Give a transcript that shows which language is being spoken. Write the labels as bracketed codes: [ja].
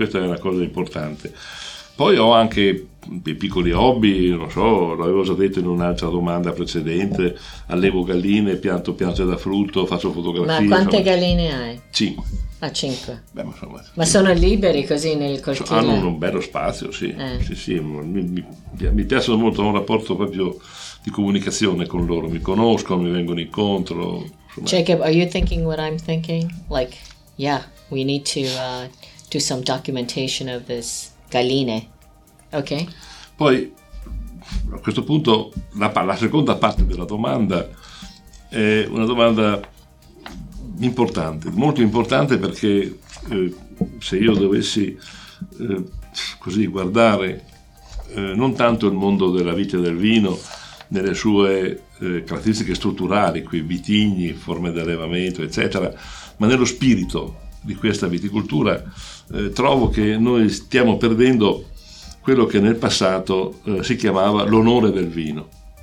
[it] Questa è una cosa importante. Poi ho anche dei piccoli hobby, non so, l'avevo già detto in un'altra domanda precedente, allevo galline, pianto piante da frutto, faccio fotografie. Ma quante galline hai? Cinque. Ma sono liberi così nel cortile? Hanno un bello spazio, sì. Sì, mi piacciono molto, ho un rapporto proprio di comunicazione con loro, mi conoscono, mi vengono incontro. Insomma. [en] Jacob, are you thinking what I'm thinking? Like, yeah, we need to do some documentation of this. [it] Galline, ok. Poi a questo punto la seconda parte della domanda è una domanda importante, molto importante, perché se io dovessi così guardare non tanto il mondo della vite del vino nelle sue caratteristiche strutturali, qui vitigni, forme di allevamento, eccetera, ma nello spirito di questa viticoltura, trovo che noi stiamo perdendo quello che nel passato si chiamava l'onore del vino.